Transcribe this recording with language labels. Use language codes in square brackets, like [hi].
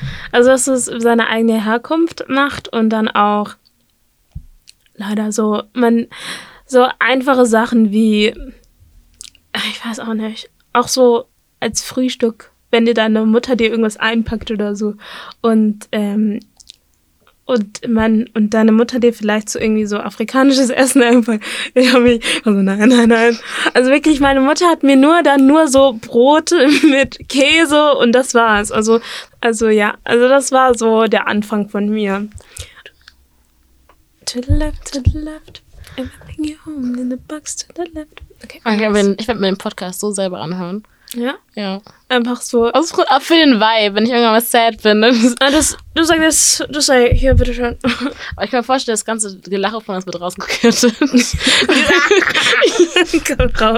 [de] Also, dass es seine eigene Herkunft macht und dann auch leider so, man, so einfache Sachen wie, ich weiß auch nicht, auch so als Frühstück, wenn dir deine Mutter dir irgendwas einpackt oder so und deine Mutter dir vielleicht so irgendwie so afrikanisches Essen einpackt. Ich habe mich, also nein, nein, nein. Also wirklich, meine Mutter hat mir nur so Brot mit Käse und das war's. Also ja, also das war so der Anfang von mir. [en] To the left, everything you own in the box to the left. [de] Okay, ich werde mir den Podcast so selber anhören. Ja? Ja. Einfach so. Auch für den Vibe, wenn ich irgendwann mal sad bin. Du sag hier, bitteschön. Aber ich kann mir vorstellen, das ganze Gelache von uns wird rausgekehrt. Raus.